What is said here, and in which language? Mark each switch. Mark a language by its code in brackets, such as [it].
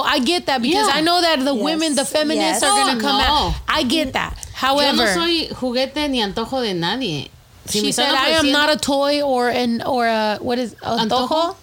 [en] I get that because I know that the women, the feminists are going to come out. I get that. However, [es] yo no soy juguete ni antojo de nadie. [en] She said, I am not a toy or a, what is, antojo?